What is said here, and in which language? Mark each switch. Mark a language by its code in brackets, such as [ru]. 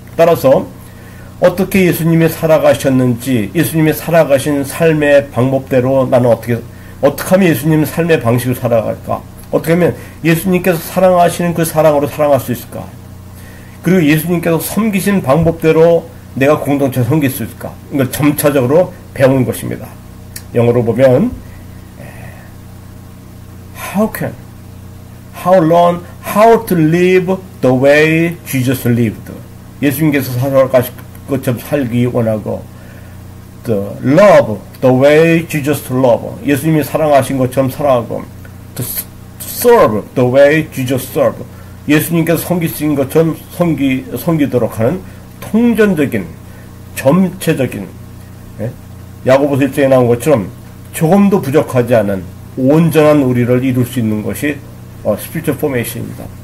[ko] 따라서 어떻게 예수님이 살아가셨는지, 예수님이 살아가신 삶의 방법대로 나는 어떻게 하면 예수님 삶의 방식을 살아갈까? 어떻게 하면 예수님께서 사랑하시는 그 사랑으로 사랑할 수 있을까? 그리고 예수님께서 섬기신 방법대로 내가 공동체 섬길 수 있을까? 이걸 점차적으로 배우는 것입니다. 영어로 보면, [en] how long, how to live the way Jesus lived. [ko] 예수님께서 살아가실 것처럼 살기 원하고, [en] love, the way Jesus loved. [ko] 예수님이 사랑하신 것처럼 살아가고, [en] serve, the way Jesus served. [ko] 예수님께서 섬기신 것처럼 섬기도록 하는 통전적인, 전체적인, 야고보서 1장에 나온 것처럼 조금도 부족하지 않은 온전한 우리를 이룰 수 있는 것이 spiritual formation입니다.